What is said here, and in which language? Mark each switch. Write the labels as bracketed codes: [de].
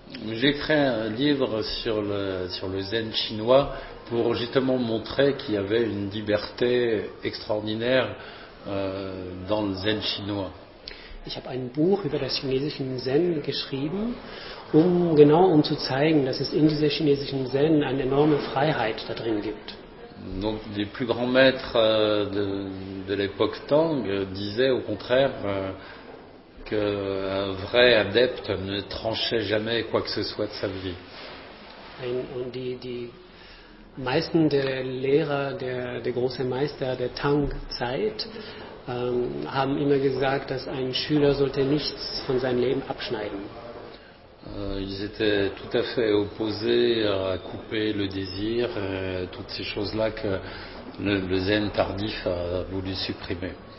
[fr] J'ai écrit un livre sur le zen chinois pour justement montrer qu'il y avait une liberté extraordinaire dans le zen chinois. [de] Ich habe ein Buch über das chinesische Zen geschrieben, um zu zeigen, dass es in diesem chinesischen Zen eine enorme Freiheit da drin gibt. [fr] Donc, les plus grands maîtres de l'époque Tang disaient au contraire qu'un vrai adepte ne tranchait jamais quoi que ce soit de sa vie. [de] Die meisten der Lehrer, der großen Meister der Tang-Zeit, haben immer gesagt, dass ein Schüler sollte nichts von seinem Leben abschneiden. [fr] Ils étaient tout à fait opposés à couper le désir et toutes ces choses-là que le zen tardif a voulu supprimer.